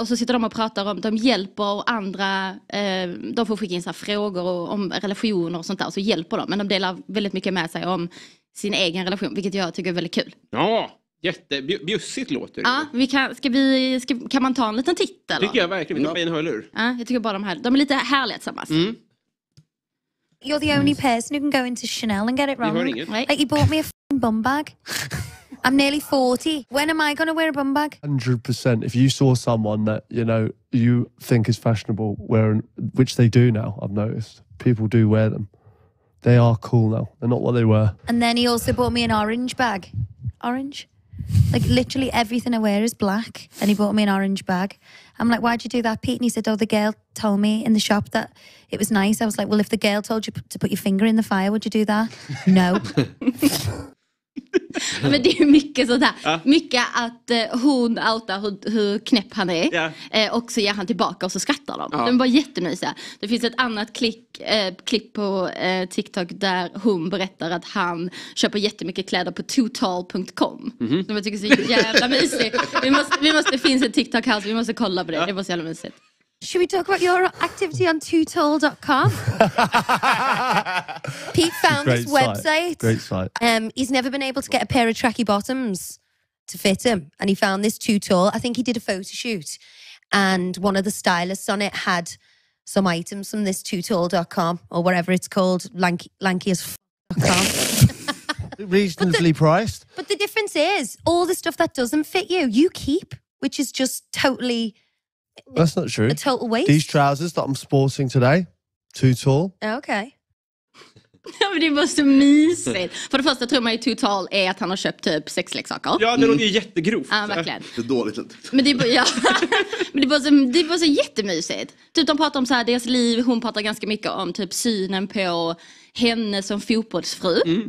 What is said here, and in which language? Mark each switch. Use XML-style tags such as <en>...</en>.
<sv>Och så sitter de och pratar om, de hjälper andra. De får skicka in så här frågor om relationer och sånt där. Och så hjälper de. Men de delar väldigt mycket med sig om sin egen relation. Vilket jag tycker är väldigt kul. Ja, jättebjussigt låter det. Ja, kan man ta en liten titt eller? Tycker jag verkligen. Vi tar en hörlur. Ja, jag tycker bara de här. De är lite härliga tillsammans.</sv> <en>You're the only person who can go into Chanel and get it wrong. Right? Like, you bought me a f***ing bum bag. I'm nearly 40. When am I going to wear a bum bag? 100%. If you saw someone that, you know, you think is fashionable wearing, which they do now, I've noticed, people do wear them. They are cool now. They're not what they were. And then he also bought me an orange bag. Orange? Like, literally everything I wear is black. And he bought me an orange bag. I'm like, why'd you do that, Pete? And he said, oh, the girl told me in the shop that it was nice. I was like, well, if the girl told you to put your finger in the fire, would you do that? No.</en> <sv>Men det är ju mycket sådär. Mycket att hon outar hur knäpp han är. Och så ger han tillbaka och så skrattar de. De var jättemysiga. Det finns ett annat klipp på TikTok där hon berättar att han köper jättemycket kläder på total.com. Mm-hmm. Som jag tycker är så jävla mysigt. Det finns ett TikTok här så vi måste kolla på det. Det var så jävla mysigt.</sv> <en>Should we talk about your activity on tootall.com? Pete found this website. Great site. He's never been able to get a pair of tracky bottoms to fit him. And he found this tootall. I think he did a photo shoot. And one of the stylists on it had some items from this tootall.com or whatever it's called. Lanky as f.com. Reasonably priced. But the difference is, all the stuff that doesn't fit you keep. Which is just totally... That's not true. A total waste. These trousers that I'm sporting today, too tall. Okay.</en> <sv>Ja, men det var så mysigt. För det första tror man ju too tall är att han har köpt typ sexleksaker. Ja, det låter ju jättegrovt. Ja, verkligen. Det är dåligt. Men det var så jättemysigt. Typ de pratar om så här, deras liv, hon pratar ganska mycket om typ synen på henne som fotbollsfru, mm.</sv>